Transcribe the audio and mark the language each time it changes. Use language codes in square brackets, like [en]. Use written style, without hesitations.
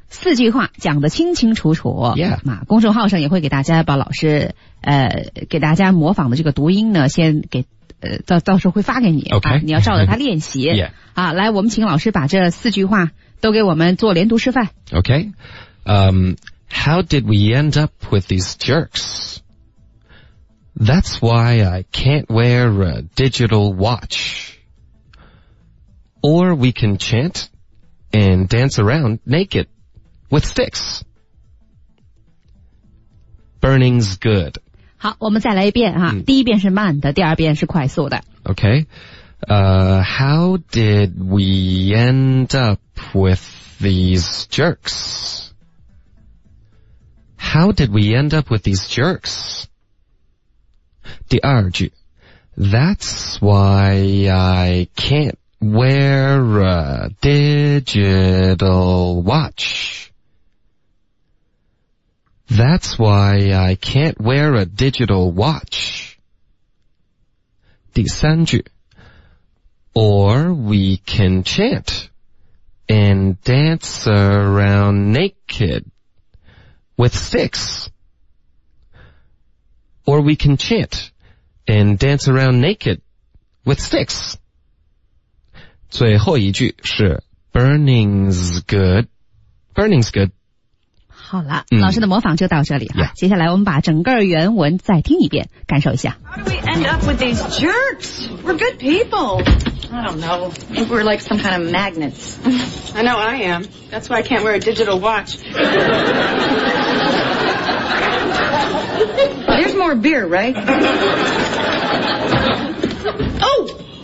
[zh] 四句话讲得清清楚楚 [en] ,yeah, [zh] 那公众号上也会给大家把老师给大家模仿的这个读音呢先给到时候会发给你 [en] ,OK?、 [zh] 你要照着他练习 [en] ,yeah。 [zh] 啊来我们请老师把这四句话都给我们做连读示范。 [en] Okay. How did we end up with these jerks? That's why I can't wear a digital watch. Or we can chant and dance around naked with sticks. Burning's good. [zh] 好，我们再来一遍哈。第一遍是慢的，第二遍是快速的。 [en] Okay. How did we end up with these jerks? How did we end up with these jerks? [zh] 第二句 [en] That's why I can't wear a digital watch. That's why I can't wear a digital watch. [zh] 第三句 [en] Or we can chant and dance around naked with sticks. Or we can chant and dance around naked with sticks. [zh] 最后一句是 [en] Burning's good. Burning's good. [zh] 好了、嗯、老师的模仿就到这里哈、 [en] yeah. [zh] 接下来我们把整个原文再听一遍感受一下。 [en] How do we end up with these jerks? We're good people. I don't know. I think we're like some kind of magnets. I know I am. That's why I can't wear a digital watch. There's more beer, right? Oh!